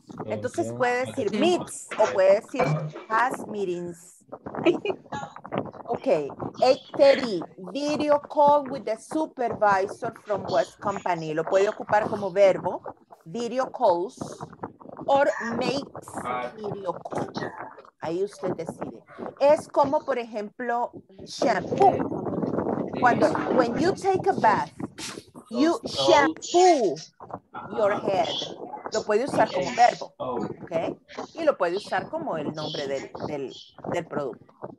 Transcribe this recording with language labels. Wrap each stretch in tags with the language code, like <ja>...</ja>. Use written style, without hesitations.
<es>Entonces puede decir meets o puede decir</es> <en>has meetings. Okay, 8:30, video call with the supervisor from West Company.</en> <es>Lo puede ocupar como verbo,</es> <en>video calls, or makes video calls.</en> <es>Ahí usted decide. Es como, por ejemplo, shampoo.</es> <en>Cuando, when you take a bath, you shampoo your head.</en> <es>Lo puede usar como verbo, ¿ok? Y lo puede usar como el nombre del producto.</es>